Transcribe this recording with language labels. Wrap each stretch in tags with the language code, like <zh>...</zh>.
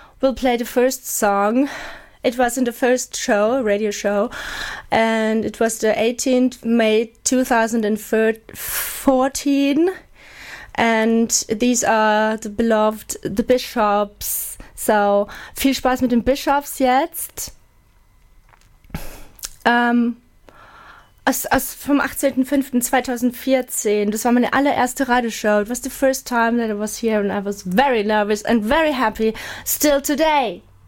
<en>We'll play the first song. It was in the first show, radio show, and it was the 18th May 2014. And these are the beloved, the Bishops.</en> <de>So, viel Spaß mit den Bishops jetzt. Aus vom 18.05.2014. Das war meine allererste Radioshow.</de> <en>It was the first time that I was here and I was very nervous and very happy still today.</en>